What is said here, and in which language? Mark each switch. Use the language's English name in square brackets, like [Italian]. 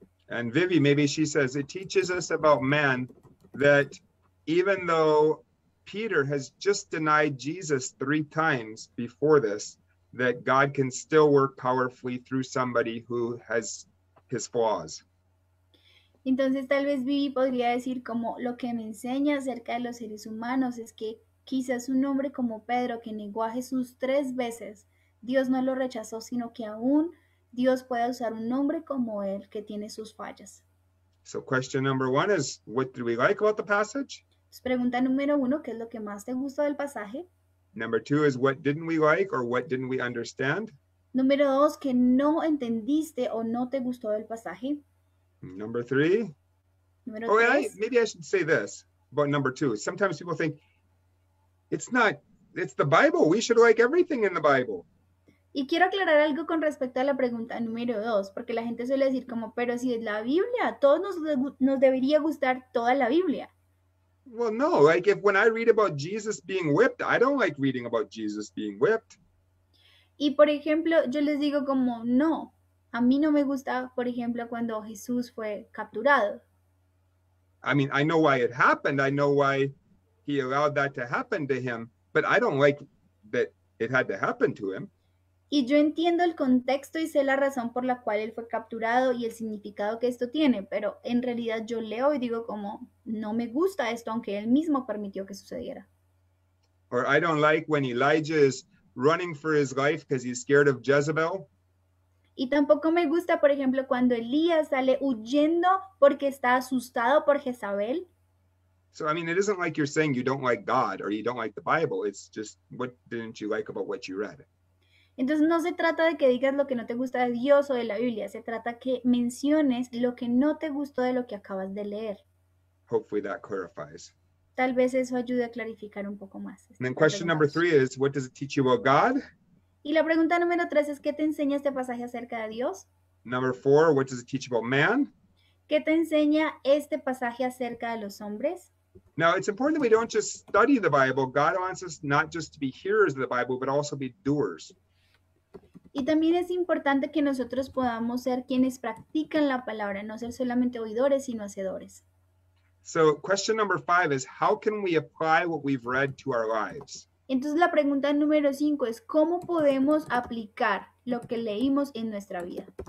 [English] And Vivi, maybe she says, it teaches us about man that even though Peter has just denied Jesus three times before this, that God can still work powerfully through somebody who has his flaws. [Spanish] Entonces, tal vez Vivi podría decir como lo que me enseña acerca de los seres humanos es que quizás un hombre como Pedro que negó a Jesús tres veces, Dios no lo rechazó, sino que aún Dios puede usar un hombre como él que tiene sus fallas. [English] So question number one is, what do we like about the passage? [Spanish] Entonces, pregunta número uno, ¿qué es lo que más te gustó del pasaje? [English] Number two is, what didn't we like or what didn't we understand? [Spanish] Número dos, ¿qué no entendiste o no te gustó del pasaje? [English] Number three. [Spanish] Número tres. [English] Maybe I should say this about number two. Sometimes people think, it's the Bible. We should like everything in the Bible. [Spanish] Y quiero aclarar algo con respecto a la pregunta número dos, porque la gente suele decir como, pero si es la Biblia, todos nos debería gustar toda la Biblia. [English] Well, no, like if when I read about Jesus being whipped, I don't like reading about Jesus being whipped. [Spanish] Y por ejemplo, yo les digo como, no, a mí no me gusta, por ejemplo, cuando Jesús fue capturado. [English] I mean, I know why it happened. I know why he allowed that to happen to him, but I don't like that it had to happen to him. [Spanish] Y yo entiendo el contexto y sé la razón por la cual él fue capturado y el significado que esto tiene, pero en realidad yo leo y digo como, no me gusta esto, aunque él mismo permitió que sucediera. [English] Or I don't like when Elijah is running for his life because he's scared of Jezebel. [Spanish] Y tampoco me gusta, por ejemplo, cuando Elías sale huyendo porque está asustado por Jezabel. [English] So, I mean, it isn't like you're saying you don't like God or you don't like the Bible. It's just, what didn't you like about what you read? [Spanish] Entonces, no se trata de que digas lo que no te gusta de Dios o de la Biblia. Se trata que menciones lo que no te gustó de lo que acabas de leer. [English] Hopefully that clarifies. [Spanish] Tal vez eso ayude a clarificar un poco más. [English] And then question number three is, what does it teach you about God? [Spanish] Y la pregunta número tres es, ¿qué te enseña este pasaje acerca de Dios? [English] Number four, what does it teach about man? [Spanish] ¿Qué te enseña este pasaje acerca de los hombres? [English] Now, it's important that we don't just study the Bible. God wants us not just to be hearers of the Bible, but also be doers. [Spanish] Y también es importante que nosotros podamos ser quienes practican la palabra, no ser solamente oidores, sino hacedores. [English] So, question number five is, how can we apply what we've read to our lives? [Spanish] Entonces, la pregunta número cinco es, ¿cómo podemos aplicar lo que leímos en nuestra vida?